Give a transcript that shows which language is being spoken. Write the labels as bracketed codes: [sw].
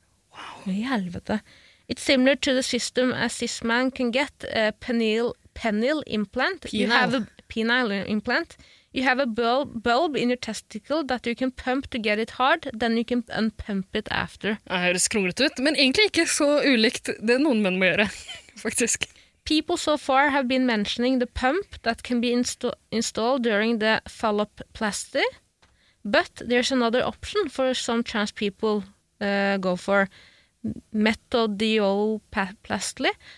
[no] Wow. I helvete. [en] It's similar to the system a cis man can get a penile implant. Penile. You have a penile implant. You have a bulb in your testicle that you can pump to get it hard, then you can unpump it after. [no] Det høres kronglet ut, men egentlig ikke så ulikt det noen menn må gjøre, faktisk. [en] People so far have been mentioning the pump that can be installed during the phalloplasty, but there's another option for some trans people go for metodioplasty.